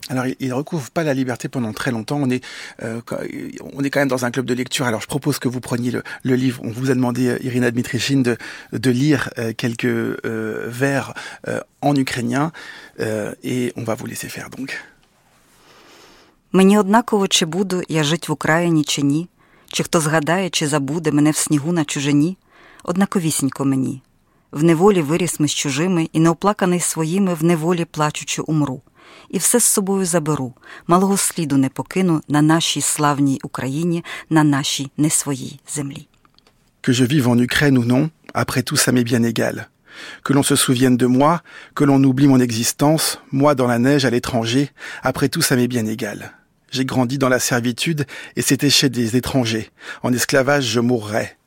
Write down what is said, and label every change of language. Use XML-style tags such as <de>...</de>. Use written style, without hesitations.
<fr>Alors, il ne recouvre pas la liberté pendant très longtemps. On est quand même dans un club de lecture. Alors, je propose que vous preniez le livre. On vous a demandé, Irina Dmitrichine, de lire quelques vers en ukrainien. Et on va vous laisser faire, donc.</fr> <uk>Мені однаково, чи буду я жити в Україні чи ні, чи хто згадає, чи забуде мене в снігу на чужині. Однаковісінько мені. В неволі виріс ми з чужими, і неоплаканий своїми в неволі плачучи умру. І все з собою заберу, малого сліду не покину на нашій славній Україні, на нашій не своїй землі.</uk> <fr>Que je vive en Ukraine ou non, après tout ça m'est bien égal. Que l'on se souvienne de moi, que l'on oublie mon existence, moi dans la neige à l'étranger, après tout ça m'est bien égal. J'ai grandi dans la servitude, et c'était chez des étrangers. En esclavage, je mourrais.</fr>